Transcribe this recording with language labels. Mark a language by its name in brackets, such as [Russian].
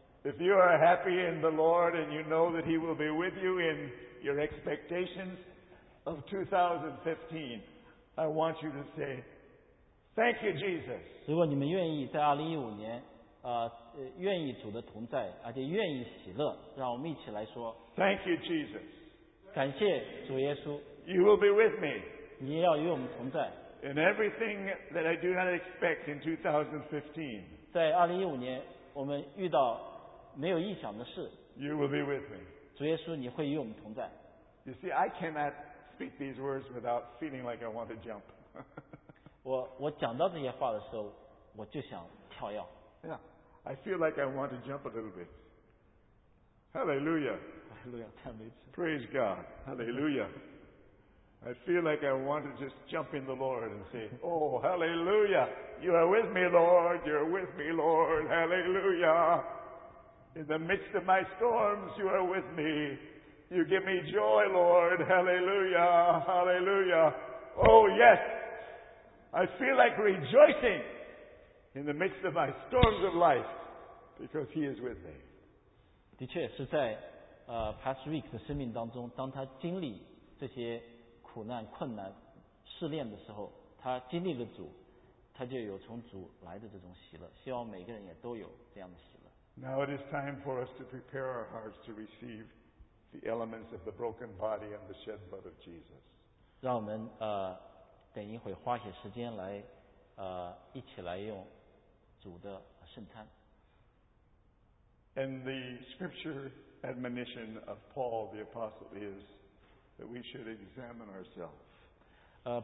[English] If you are happy in the Lord and you know that He will be with you in your expectations. Of 2015, I want you to say, "Thank you, Jesus." [Chinese] 如果你们愿意在2015年，愿意主的同在，而且愿意喜乐，让我们一起来说 [English] ，"Thank you, Jesus." [Chinese] 感谢主耶稣。 [English] You will be with me. [Chinese] 你要与我们同在。 [English] In everything that I do not expect in 2015. [Chinese] 在2015年，我们遇到没有意想的事。 [English] You will be with me. [Chinese] 主耶稣，你会与我们同在。 [English] You see, I cannot. Speak these words without feeling like I want to jump. [Chinese] 我讲到这些话的时候，我就想跳跃。 [English] Yeah, I feel like I want to jump a little bit. Hallelujah. [Chinese] Hallelujah. 赞美主。 [English] Praise God. Hallelujah. I feel like I want to just jump in the Lord and say, Oh, Hallelujah! You are with me, Lord. You are with me, Lord. Hallelujah! In the midst of my storms, you are with me. You give me joy, Lord. Hallelujah. Hallelujah. Oh, yes. I feel like rejoicing in the midst of my storms of life because He is with me. [Chinese] 的确是在 [English] past week [Chinese] 的生命当中，当他经历这些苦难、困难、试炼的时候，他经历了主，他就有从主来的这种喜乐。希望每个人也都有这样的喜乐。 [English] Now it is time for us to prepare our hearts to receive. The elements of the broken body and the shed blood of Jesus. [Chinese] 让我们等一会花些时间来一起来用主的圣餐。 [English] And the scripture admonition of Paul the apostle is that we should examine ourselves.